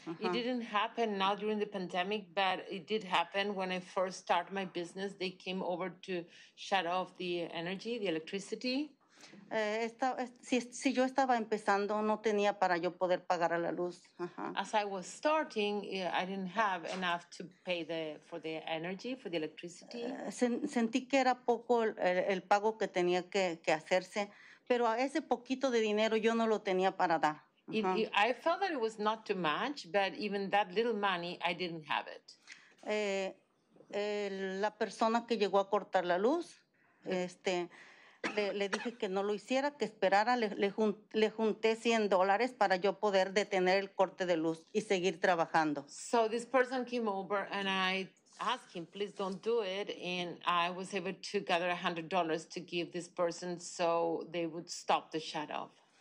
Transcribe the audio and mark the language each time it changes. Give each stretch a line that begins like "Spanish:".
English: It didn't happen now during the pandemic, but it did happen when I first started my business. They came over to shut off the energy, the electricity.
Spanish: Si yo estaba empezando, no tenía para yo poder pagar a la luz.
English: As I was starting, I didn't have enough to pay for the energy, for the electricity.
Spanish: Sentí que era poco el pago que tenía que hacerse. Pero a ese poquito de dinero yo no lo tenía para dar.
English: I felt that it was not too much, but even that little money, I didn't have it.
Spanish: La persona que llegó a cortar la luz, le dije que no lo hiciera, que esperara, le junté $100 para yo poder detener el corte de luz y seguir trabajando.
English: So this person came over and I asked him, please don't do it, and I was able to gather $100 to give this person so they would stop the shut off.